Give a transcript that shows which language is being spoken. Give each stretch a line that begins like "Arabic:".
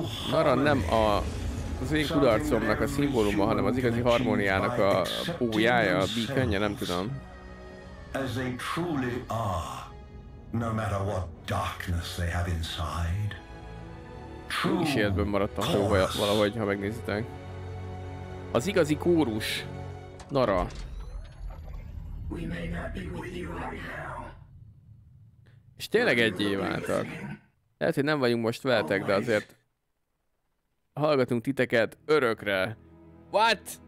Hungarian: Nara nem a, az én kudarcomnak a szimbóluma, hanem az igazi harmóniának a pólyája, a beaconja, nem tudom.
English: As they truly are, no matter what darkness they have inside. True.
Hungarian: Is életben maradt a hó, valahogy, ha megnézitek. Az igazi kórus, Nara.
English: We may not be with you right now.
Hungarian: És tényleg egyé váltak. Lehet, hogy nem vagyunk most veletek, de azért hallgatunk titeket örökre.
English: What?